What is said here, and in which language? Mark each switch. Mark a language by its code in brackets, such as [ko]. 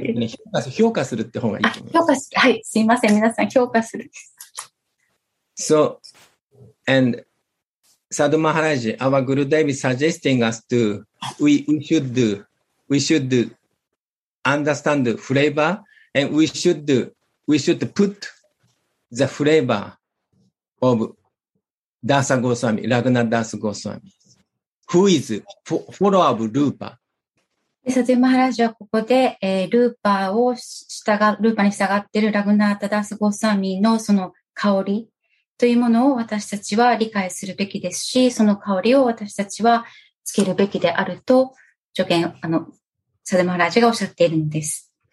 [ja] で、評価するって方がいいと思います。評価する。はい、すいません。皆さん、評価するそう。 [en] And Sadhu Maharaj, our Gurudev is suggesting us to, we should understand the flavor and we should put the flavor of Dasa Goswami, Raghuna Dasa Goswami, who is follower of Rupa. [ja] サデュマハラジはここで、ルーパーを従、ルーパーに従っているラグナータダスゴスワミのその香り、というものを私たちは理解するべきですし、その香りを私たちはつけるべきであると助言、サデマハラジがおっしゃっているのです。